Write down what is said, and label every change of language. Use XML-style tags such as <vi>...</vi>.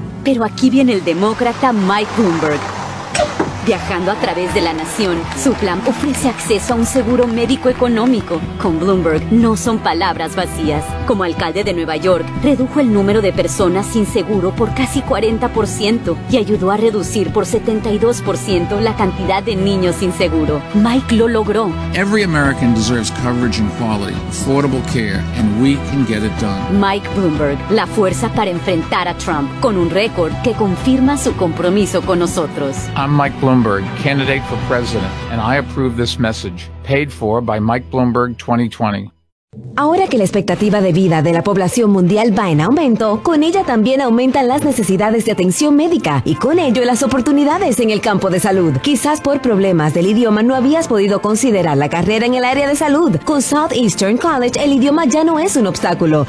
<es>Pero aquí viene el demócrata Mike Bloomberg. Viajando a través de la nación, su plan ofrece acceso a un seguro médico económico. Con Bloomberg no son palabras vacías. Como alcalde de Nueva York, redujo el número de personas sin seguro por casi 40% y ayudó a reducir por 72% la cantidad de niños sin seguro. Mike lo logró.</es> <en>Every American deserves coverage and quality, affordable care, and we can get it done.</en> <es>Mike Bloomberg, la fuerza para enfrentar a Trump, con un récord que confirma su compromiso con nosotros.</es> <en>I'm Mike Bloomberg, candidate for president, and I approve this message, paid for by Mike Bloomberg 2020.</en> <es>Ahora que la expectativa de vida de la población mundial va en aumento, con ella también aumentan las necesidades de atención médica y con ello las oportunidades en el campo de salud. Quizás por problemas del idioma no habías podido considerar la carrera en el área de salud. Con Southeastern College, el idioma ya no es un obstáculo.</es>